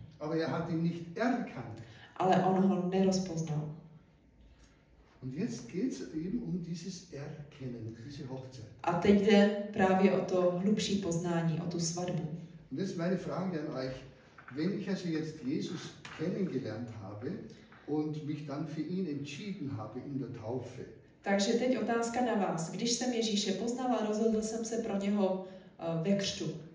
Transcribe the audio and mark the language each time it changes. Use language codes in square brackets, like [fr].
[de] Aber er hat ihn nicht erkannt. [cs] Ale on ho nerozpoznal. [de] Und jetzt geht's eben um dieses Erkennen, diese Hochzeit. [cs] A teď jde právě o to hlubší poznání, o tu svatbu. [de] Und jetzt meine Frage an euch, wenn ich also jetzt Jesus kennengelernt habe und mich dann für ihn entschieden habe in der Taufe. [cs] Takže teď otázka na vás. Když jsem Ježíše poznal a rozhodl jsem se pro něho ve křtu.